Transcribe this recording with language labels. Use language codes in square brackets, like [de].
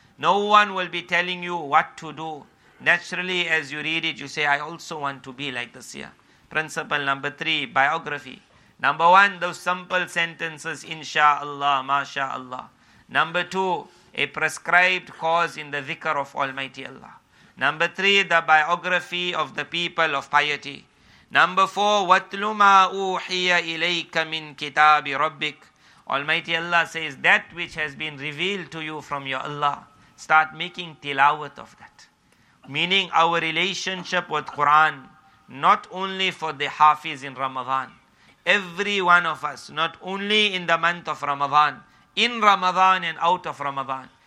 [en] No one will be telling you what to do. Naturally, as you read it, you say, I also want to be like this here. Principle number three, biography. Number one, those simple sentences, inshaAllah, mashaAllah. Number two, a prescribed cause in the dhikr of Almighty Allah. Number three, the biography of the people of piety. Number four, [ar] وَاتْلُ مَا أُوحِيَ إِلَيْكَ مِنْ كِتَابِ رَبِّكَ. [en] Almighty Allah says, that which has been revealed to you from your Allah, start making tilawat of that. Meaning our relationship with Quran, not only for the hafiz in Ramadan. Every one of us, not only in the month of Ramadan, in Ramadan and out of Ramadan.